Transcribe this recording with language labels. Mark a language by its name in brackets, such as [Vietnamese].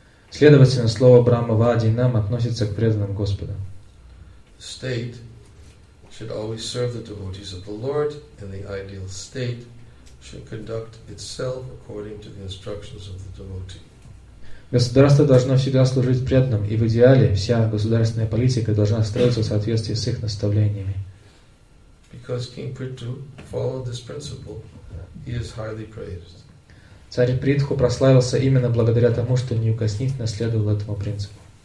[Russian] Следовательно, слово «брахмавади нам» относится к преданным Господа. [English] State should always serve the devotees of the Lord, and the ideal state should conduct itself according to the instructions of the devotee. [Russian] Государство должно всегда служить преданным, и в идеале вся государственная политика должна строиться в соответствии с их наставлениями. [English] Because King Prithu followed this principle, he is highly praised. [Russian] Царь Притху прославился именно благодаря тому, что неукоснительно следовал этому принципу.